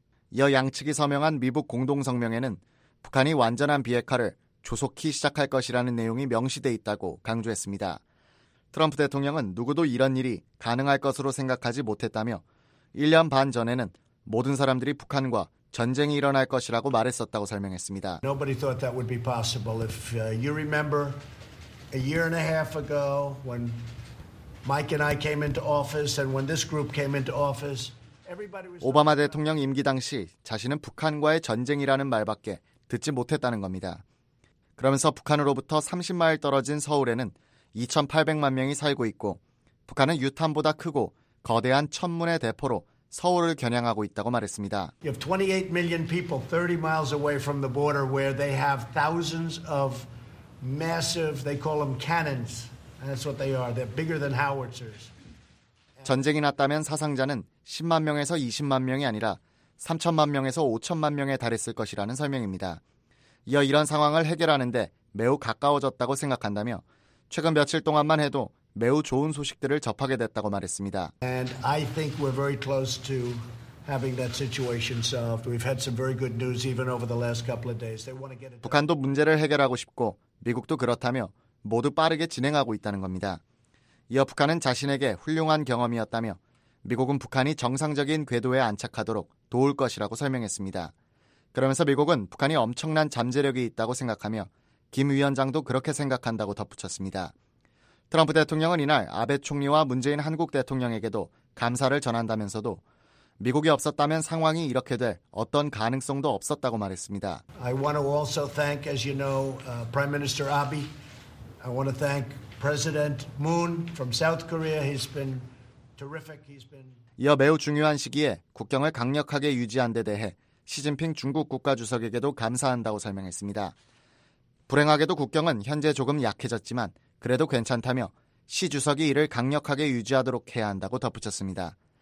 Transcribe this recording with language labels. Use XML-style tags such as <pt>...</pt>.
<ko>이어 양측이 서명한 미북 공동성명에는 북한이 완전한 비핵화를 조속히 시작할 것이라는 내용이 명시돼 있다고 강조했습니다. 트럼프 대통령은 누구도 이런 일이 가능할 것으로 생각하지 못했다며 1년 반 전에는 모든 사람들이 북한과 전쟁이 일어날 것이라고 말했었다고 설명했습니다.</ko> <en>Nobody thought that would be possible. If you remember a year and a half ago when Mike and I came into office and when this group came into office,</en> <ko>오바마 대통령 임기 당시 자신은 북한과의 전쟁이라는 말밖에 듣지 못했다는 겁니다. 그러면서 북한으로부터 30마일 떨어진 서울에는 2,800만 명이 살고 있고 북한은 유탄보다 크고 거대한 천문의 대포로 서울을 겨냥하고 있다고 말했습니다.</ko> <en>You have 28 million people 30 miles away from the border where they have thousands of massive, they call them cannons. That's what they are. They're bigger than howitzers.</en> <ko>전쟁이 났다면 사상자는 10만 명에서 20만 명이 아니라 3천만 명에서 5천만 명에 달했을 것이라는 설명입니다. 이어 이런 상황을 해결하는데 매우 가까워졌다고 생각한다며 최근 며칠 동안만 해도 매우 좋은 소식들을 접하게 됐다고 말했습니다.</ko> <en>And I think we're very close to having that situation solved. We've had some very good news even over the last couple of days. They want to get it.</en> <ko>북한도 문제를 해결하고 싶고 미국도 그렇다며 모두 빠르게 진행하고 있다는 겁니다. 이어 북한은 자신에게 훌륭한 경험이었다며 미국은 북한이 정상적인 궤도에 안착하도록 도울 것이라고 설명했습니다. 그러면서 미국은 북한이 엄청난 잠재력이 있다고 생각하며 김 위원장도 그렇게 생각한다고 덧붙였습니다. 트럼프 대통령은 이날 아베 총리와 문재인 한국 대통령에게도 감사를 전한다면서도 미국이 없었다면 상황이 이렇게 될 어떤 가능성도 없었다고 말했습니다.</ko> <en>I want to also thank, as you know, Prime Minister Abe. I want to thank President Moon from South Korea. He's been terrific. He's been.</en> <ko>이어 매우 중요한 시기에 국경을 강력하게 유지한 데 대해 시진핑 중국 국가주석에게도 감사한다고 설명했습니다. 불행하게도 국경은 현재 조금 약해졌지만 그래도 괜찮다며 시 주석이 이를 강력하게 유지하도록 해야 한다고 덧붙였습니다.</ko>